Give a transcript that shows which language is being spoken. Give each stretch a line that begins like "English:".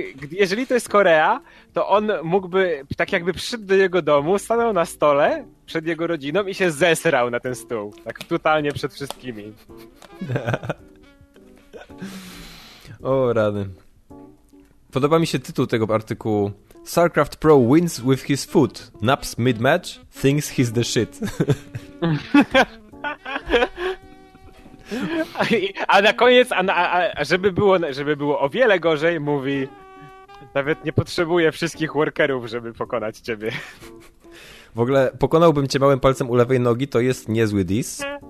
Polish: jeżeli to jest Korea, to on mógłby tak jakby przyszedł do jego domu, stanął na stole przed jego rodziną i się zesrał na ten stół. Tak totalnie przed wszystkimi. O, rany. Podoba mi się tytuł tego artykułu.
English: StarCraft Pro wins with his foot. Naps mid-match, thinks he's the shit.
Polish: A na koniec, żeby było o wiele gorzej, mówi, nawet nie potrzebuję wszystkich workerów, żeby pokonać ciebie. W ogóle pokonałbym cię małym palcem u lewej nogi, to jest niezły diss.